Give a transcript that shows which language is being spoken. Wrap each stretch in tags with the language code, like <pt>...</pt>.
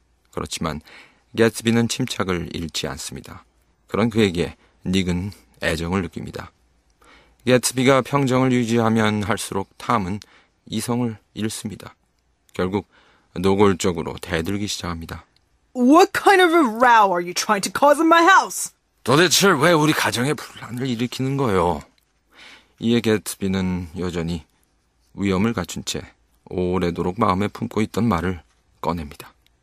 <ko>그렇지만 갯스비는 침착을 잃지 않습니다. 그런 그에게 닉은 애정을 느낍니다. 갯스비가 평정을 유지하면 할수록 탐은 이성을 잃습니다. 결국 노골적으로 대들기 시작합니다.</ko> <en>What kind of a row are you trying to cause in my house?</en> <ko>도대체 왜 우리 가정에 분란을 일으키는 거예요? 이에 갯스비는 여전히 위험을 갖춘 채 오래도록 마음에 품고 있던 말을 꺼냅니다.</ko>